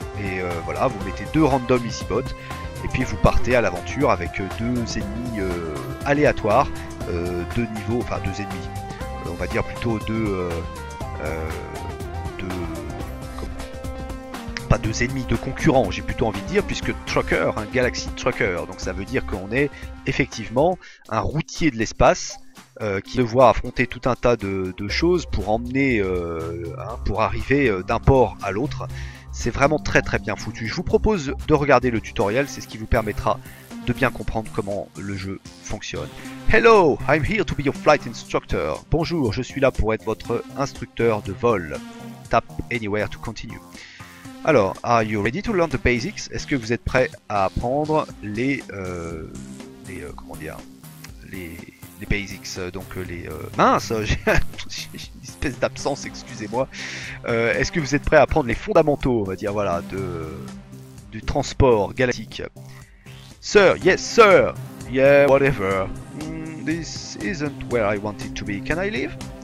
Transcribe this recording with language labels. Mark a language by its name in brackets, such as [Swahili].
[French] Et vous mettez deux random EasyBot et puis vous partez à l'aventure avec deux ennemis aléatoires, deux niveaux, enfin deux ennemis, on va dire plutôt deux concurrents, j'ai plutôt envie de dire, puisque Trucker, hein, Galaxy Trucker, donc ça veut dire qu'on est effectivement un routier de l'espace qui devoir affronter tout un tas de choses pour emmener, pour arriver d'un port à l'autre. C'est vraiment très très bien foutu. Je vous propose de regarder le tutoriel, c'est ce qui vous permettra de bien comprendre comment le jeu fonctionne. [English] Hello, I'm here to be your flight instructor. [French] Bonjour, je suis là pour être votre instructeur de vol. [English] Tap anywhere to continue. Alors, are you ready to learn the basics? [French] Est-ce que vous êtes prêt à apprendre les basics? Mince, j'ai une espèce d'absence, excusez-moi. Est-ce que vous êtes prêt à apprendre les fondamentaux, on va dire, voilà, du transport galactique? [English] Sir, yes, sir. Yeah, whatever. This isn't where I wanted to be. Can I leave?